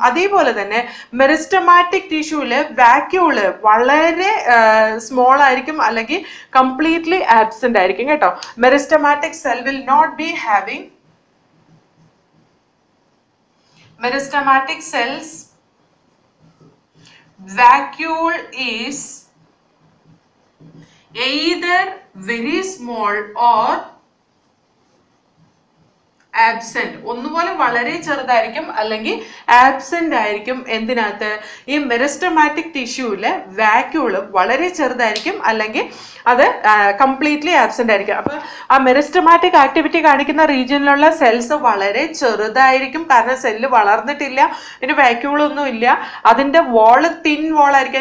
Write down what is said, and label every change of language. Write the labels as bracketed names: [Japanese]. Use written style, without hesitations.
[Malayalam] അതേപോലെ തന്നെ meristematic ടിഷ്യൂല് vacuole വളരെ സ്മോൾ ആയിരിക്കും, അല്ലെങ്കിൽ കംപ്ലീറ്റ്ലി ആബ്സെന്റ് ആയിരിക്കും കേട്ടോ. [English] Meristematic cell will not be having meristematic cells. Vacuole is either very small or absent. [Malayalam] ഒന്നുപോലെ വളരെ ചെറുതായിരിക്കും അല്ലെങ്കിൽ ആബ്സെന്റ് ആയിരിക്കും. എന്തിനകത്ത്? ഈ മെറിസ്റ്റമാറ്റിക് ടിഷ്യൂവിലെ വാക്യൂള് വളരെ ചെറുതായിരിക്കും അല്ലെങ്കിൽ അത് കംപ്ലീറ്റ്ലി ആബ്സെന്റ് ആയിരിക്കും. അപ്പൊ ആ മെറിസ്റ്റമാറ്റിക് ആക്ടിവിറ്റി കാണിക്കുന്ന റീജിയനിലുള്ള സെൽസ് വളരെ ചെറുതായിരിക്കും, കാരണം സെല്ല് വളർന്നിട്ടില്ല, അതിന് വാക്യൂളൊന്നും ഇല്ല, അതിന്റെ വോള് തിൻ വോളായിരിക്കും.